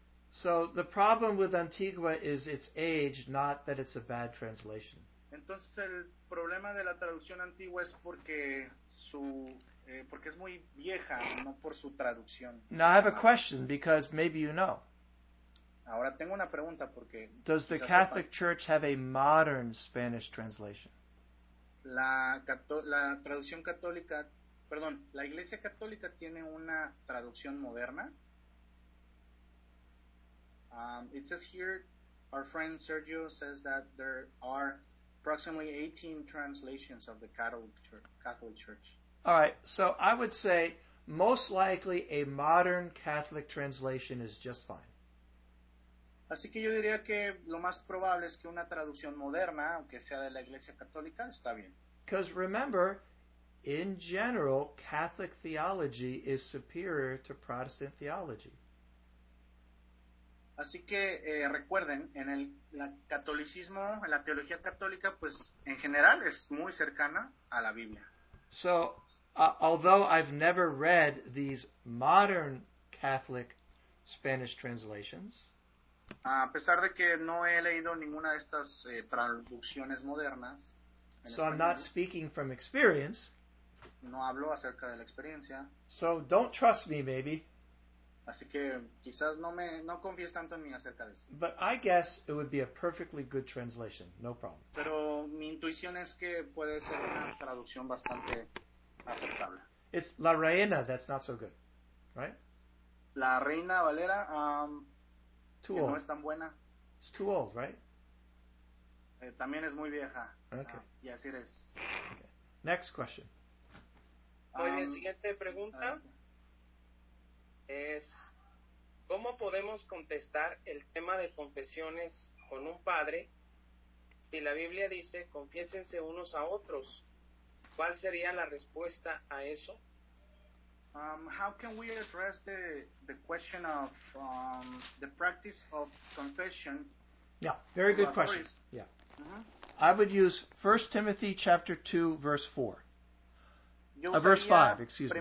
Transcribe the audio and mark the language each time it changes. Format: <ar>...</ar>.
<en>So the problem with Antigua is its age, not that it's a bad translation.</en> <es>Entonces el problema de la traducción antigua es porque porque es muy vieja, no por su traducción.</es> <en>Now I have a question because maybe you know.</en> <es>Ahora tengo una pregunta porque.</es> <en>Does the Catholic Church have a modern Spanish translation?</en> <es>La traducción católica. Perdón, ¿la Iglesia Católica tiene una traducción moderna?</es> <en>It says here, our friend Sergio says that there are approximately 18 translations of the Catholic Church. All right, so I would say most likely a modern Catholic translation is just fine.</en> <es>Así que yo diría que lo más probable es que una traducción moderna, aunque sea de la Iglesia Católica, está bien.</es> <en>Because remember, in general, Catholic theology is superior to Protestant theology.</en> <es>Así que recuerden, en el catolicismo, en la teología católica, pues en general es muy cercana a la Biblia.</es> <en>So, although I've never read these modern Catholic Spanish translations,</en> <es>a pesar de que no he leído ninguna de estas traducciones modernas,</es> <en>so I'm not speaking from experience.</en> <es>No hablo acerca de la experiencia.</es> <en>So don't trust me, maybe.</en> <es>Así que quizás no confíes tanto en mí acerca de eso.</es> <en>But I guess it would be a perfectly good translation, no problem.</en> <es>Pero mi intuición es que puede ser una traducción bastante aceptable.</es> <en>It's La Reina that's not so good, right?</en> <es>La Reina Valera,</es> <en>too old.</en> <es>No es tan buena.</es> <en>It's too old, right?</en> <es>También es muy vieja.</es> <en>Okay.</en> <es>Y así es.</es> <en>Okay. Next question.</en> <es>Muy bien, siguiente pregunta es, ¿cómo podemos contestar el tema de confesiones con un padre si la Biblia dice, confiésense unos a otros? ¿Cuál sería la respuesta a eso?</es> <en>How can we address the question of the practice of confession? Yeah, very good question. Yeah. Uh-huh. I would use 1 Timothy chapter 2, verse 4. Verse 5, excuse me.</en>